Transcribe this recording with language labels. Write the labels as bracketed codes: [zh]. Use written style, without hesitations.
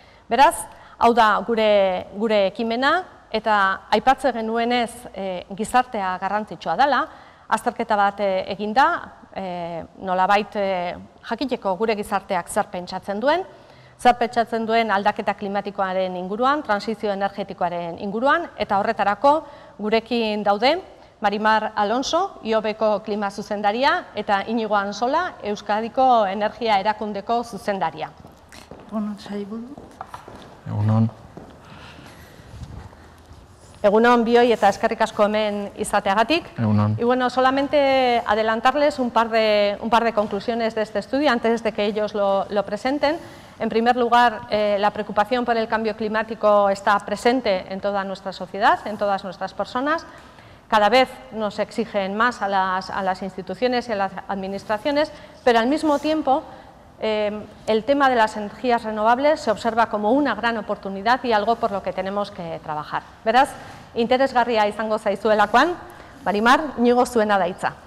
[eu] Beraz, hau da gure ekimena, eta aipatze genuenez gizartea garrantzitsua dela, azterketa bat eginda, nolabait jakiteko gure gizarteak zer pentsatzen duen, zerpetsatzen duen aldaketa klimatikoaren inguruan, transizio energetikoaren inguruan, eta horretarako gurekin daude Marimar Alonso, IOBeko klima zuzendaria, eta Inigo Ansola, Euskadiko Energia Erakundeko zuzendaria. Egunon, sailburu. Egunon. Egunon, bioi, eta eskerrik asko hemen izateagatik. Egunon. [es] Y bueno, solamente adelantarles un par de conclusiones de este estudio antes de que ellos lo presenten. En primer lugar, la preocupación por el cambio climático está presente en toda nuestra sociedad, en todas nuestras personas. Cada vez nos exigen más a las instituciones y a las administraciones, pero al mismo tiempo el tema de las energías renovables se observa como una gran oportunidad y algo por lo que tenemos que trabajar. [eu] Beraz, interesgarria izango zaizuelakoan, Marimar, Inigo zuena da hitza.